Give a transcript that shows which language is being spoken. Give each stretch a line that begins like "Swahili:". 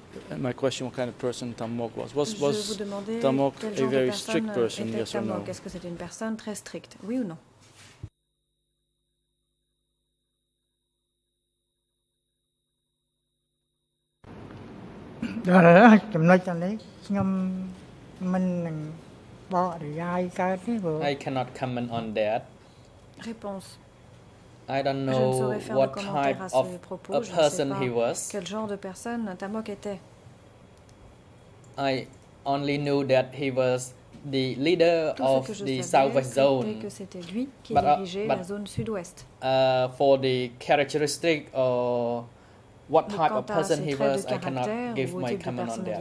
English: And my question, what kind of person Tamok was? Was Tamok a very strict person, yes or no?
French: Est-ce que c'était une personne très stricte, oui ou non?
English: I cannot comment on that.
French: réponse.
English: I don't know what type of a person he was.
French: Quel genre de personne Tamok était.
English: I only knew that he was the leader of the Southwest zone.
French: Que c'était lui qui dirigeait la zone sud-ouest.
English: For the characteristic or what type of person he was, I cannot give my comment on that.